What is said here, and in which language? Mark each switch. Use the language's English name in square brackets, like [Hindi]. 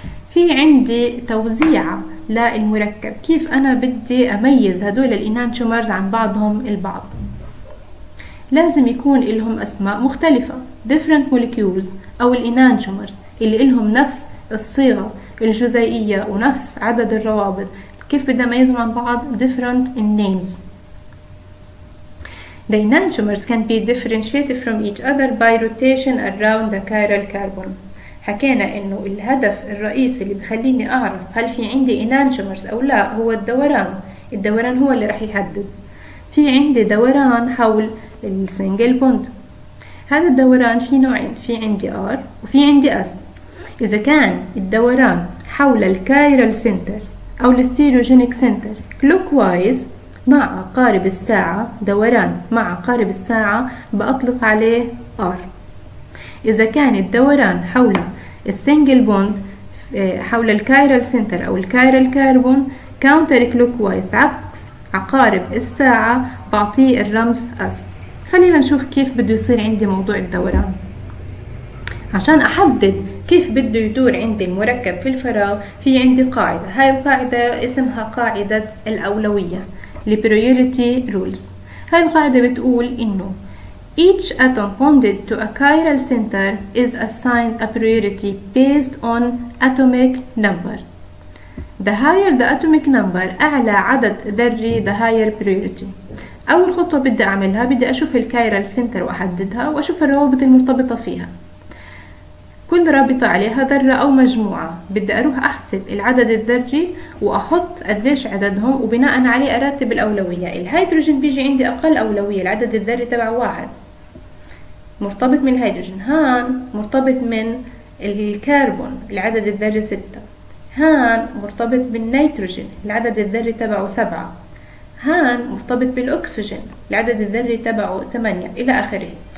[Arabic] في عندي توزيع للمركب، كيف انا بدي اميز هدول الانانشومرز عن بعضهم البعض؟ لازم يكون لهم اسماء مختلفة، [English] different molecules [Arabic] او الانانشومرز اللي لهم نفس الصيغة الجزيئية ونفس عدد الروابط، كيف بدي اميزهم عن بعض؟ [English] different names. The enantiomers can be differentiated from each other by rotation around the chiral carbon. [Arabic] حكينا إنه الهدف الرئيسي اللي بخليني أعرف هل في عندي enantiomers أو لا هو الدوران. الدوران هو اللي رح يحدد في عندي دوران حول السنجل بوند. هذا الدوران في نوعين، في عندي R وفي عندي S. إذا كان الدوران حول الكايرال سنتر أو الستيروجينيك سنتر كلوكوايز مع قارب الساعة، دوران مع قارب الساعة بأطلق عليه R. إذا كان الدوران حول السنجل بوند حول الكايرال سنتر أو الكايرال كاربون كاونتر كلوكوايز عكس عقارب الساعة بعطيه الرمز S. خلينا نشوف كيف بده يصير عندي موضوع الدوران. عشان أحدد كيف بده يدور عندي المركب في الفراغ، في عندي قاعدة، هاي القاعدة اسمها قاعدة الأولوية [English] The Priority Rules. [Arabic] هاي القاعدة بتقول إنه [English] Each atom bonded to a chiral center is assigned a priority based on atomic number. The higher the atomic number, [Arabic] أعلى عدد ذري [English] the higher priority. [Arabic] أول خطوة بدي أعملها بدي أشوف الكايرال سنتر وأحددها وأشوف الروابط المرتبطة فيها. كل رابطة عليها ذرة أو مجموعة بدي أروح أحسب العدد الذري وأحط قديش عددهم وبناء عليه أرتب الأولوية. الهيدروجين بيجي عندي أقل أولوية، العدد الذري تبعه واحد مرتبط من الهيدروجين، هان مرتبط من الكربون العدد الذري ستة، هان مرتبط بالنيتروجين العدد الذري تبعه سبعة، هان مرتبط بالأكسجين العدد الذري تبعه ثمانية إلى آخره.